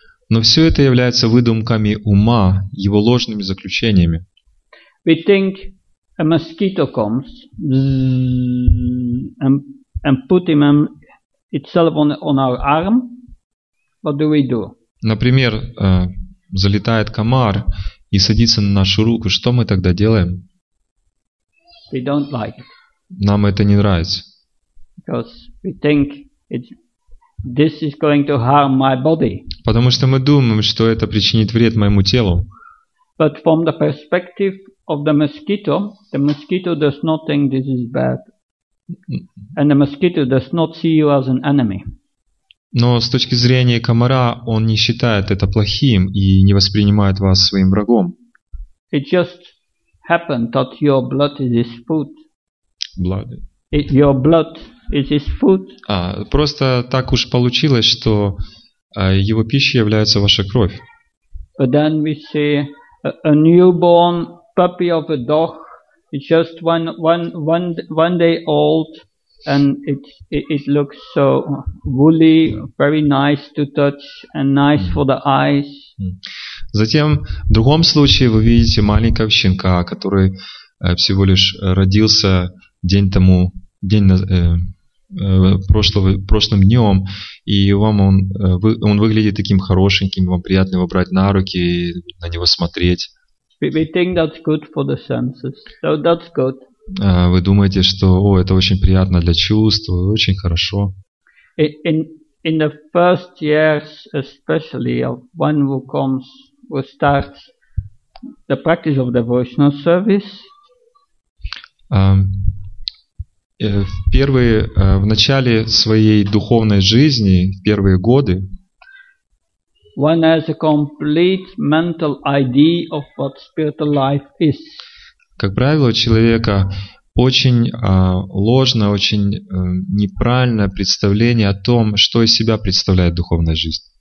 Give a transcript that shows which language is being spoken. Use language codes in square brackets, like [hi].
[ru] Но все это является выдумками ума, его ложными заключениями. [en] We think a mosquito comes and put him itself on our arm. What do we do? [ru] Например, залетает комар и садится на нашу руку. Что мы тогда делаем? [en] We don't like it. [ru] Нам это не нравится. [en] Because we think this is going to harm my body. [ru] Потому что мы думаем, что это причинит вред моему телу. [en] But from the perspective of the mosquito does not think this is bad, and the mosquito does not see you as an enemy. [ru] Но с точки зрения комара он не считает это плохим и не воспринимает вас своим врагом. [en] It just happened that your blood is his food. Blood. Your blood is his food. [ru] А просто так уж получилось, что его пищей является ваша кровь. [en] But then we see a newborn puppy of a dog, it's just one day old, and it looks so woolly, very nice to touch and nice for the eyes. [ru] Затем в другом случае вы видите маленького щенка, который всего лишь родился прошлым днем, и вам он выглядит таким хорошеньким, вам приятно его брать на руки и на него смотреть. [en] We think that's good for the senses. So that's good. [ru] Вы думаете, что это очень приятно для чувств, очень хорошо. [en] In the first years, especially of one who comes, who starts the practice of devotional service. [ru] В начале своей духовной жизни, в первые годы. [en] One has a complete mental idea of what spiritual life is. [ru] Как правило, у человека очень неправильное представление о том, что из себя представляет духовная жизнь.